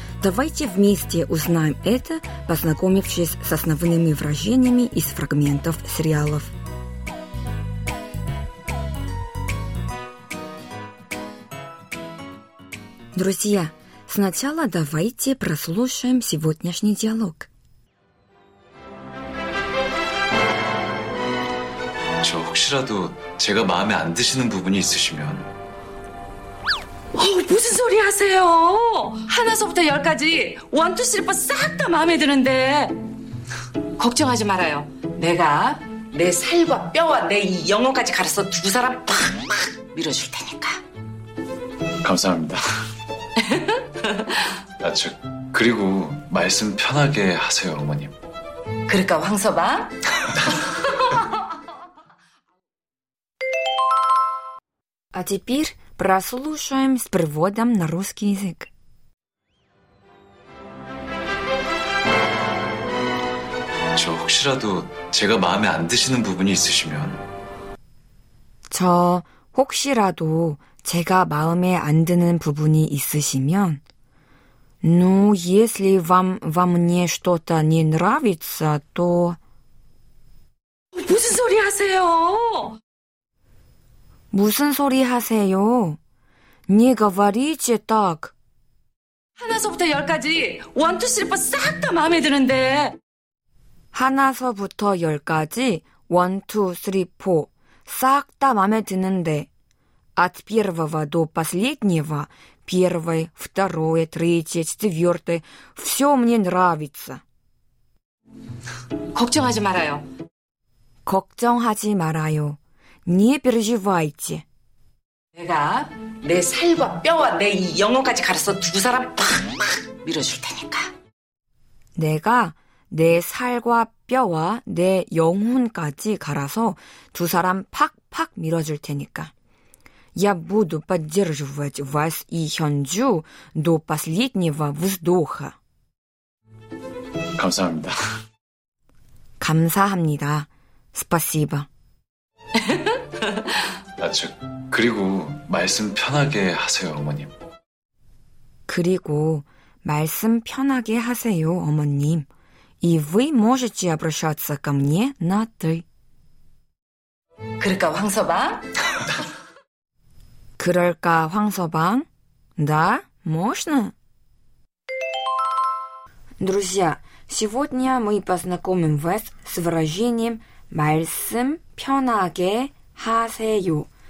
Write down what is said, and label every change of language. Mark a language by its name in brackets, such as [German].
[Russian] Давайте вместе узнаем это, познакомившись с основными выражениями из фрагментов сериалов. Друзья, сначала давайте прослушаем сегодняшний диалог. [Korean] 저 혹시라도 제가 마음에 안 드시는 부분이 있으시면 무슨 소리 하세요? 하나서부터 열까지 1, 2, 3, 4 싹 다 마음에 드는데 걱정하지 말아요. 내가 내 살과 뼈와 내 이 영혼까지 갈아서 두 사람 팍팍 밀어줄 테니까. 감사합니다. 아, 저 그리고 말씀 편하게 하세요, 어머님. 그럴까, 황서방? [Russian] 아, теперь прослушаем с переводом на русский язык. [Korean] 저 혹시라도 제가 마음에 안 드시는 부분이 있으시면 저 혹시라도 제가 마음에 안 드는 부분이 있으시면 [Russian] Ну, если вам во мне что-то не нравится, то [Korean] 무슨 소리 하세요? 무슨 소리 하세요? [Russian] Не говорите так. [Korean] 하나서부터 열까지 1, 2, 3, 4 싹 다 마음에 드는데 하나서부터 열까지 1, 2, 3, 4 싹 다 마음에 드는데 [Russian] От первого до последнего, первое, второе, третье, четвертое, все мне нравится. [Korean] 걱정하지 말아요. 걱정하지 말아요. [Russian] Не переживайте. [Korean] 내가 내 살과 뼈와 내 이 영혼까지 갈아서 두 사람 팍팍 밀어줄 테니까. 내가 내 살과 뼈와 내 영혼까지 갈아서 두 사람 팍팍 밀어줄 테니까. [Russian] Я буду поддерживать вас и Хёнджу до последнего вздоха. [Korean] 감사합니다. 감사합니다. [Russian] Спасибо. [Korean] 아, 저, 그리고 말씀 편하게 하세요, 어머님. 그리고 말씀 편하게 하세요, 어머님. [Russian] И вы можете обращаться ко мне на ты. [Korean] 그럴까, 황서방? 그럴까, 황서방? 나? [Russian] Можно? Друзья, сегодня мы познакомим вас с выражением [Korean] 말씀 편하게 하세요.